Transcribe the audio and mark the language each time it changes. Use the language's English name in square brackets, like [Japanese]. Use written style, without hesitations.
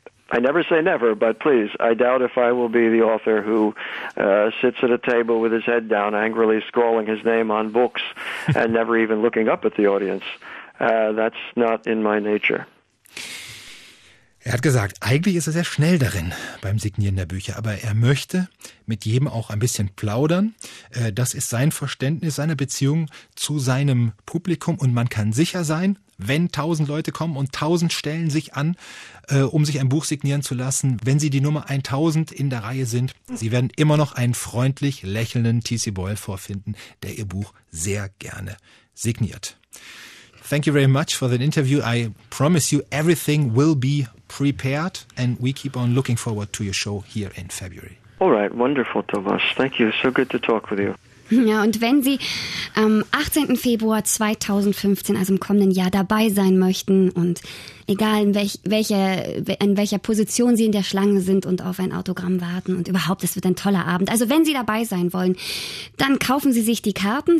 [English] I never say never, but please, I doubt if I will be the author who sits at a table with his head down, angrily scrawling his name on books and never even looking up at the audience. That's not in my nature. [German] Er hat gesagt, eigentlich ist er sehr schnell darin beim Signieren der Bücher, aber er möchte mit jedem auch ein bisschen plaudern. Das ist sein Verständnis seiner Beziehung zu seinem Publikum und man kann sicher sein, wenn 1,000 Leute kommen und 1,000 stellen sich an, um sich ein Buch signieren zu lassen, wenn sie die Nummer 1,000 in der Reihe sind, sie werden immer noch einen freundlich lächelnden T.C. Boyle vorfinden, der ihr Buch sehr gerne signiert. [English] Thank you very much for the interview. I promise you everything will be prepared and we keep on looking forward to your show here in February. All right, wonderful, Thomas. Thank you. So good to talk with you. [German] Ja, und wenn Sie am 18. Februar 2015, also im kommenden Jahr, dabei sein möchten und egal in welcher Position Sie in der Schlange sind und auf ein Autogramm warten und überhaupt, es wird ein toller Abend. Also wenn Sie dabei sein wollen, dann kaufen Sie sich die Karten.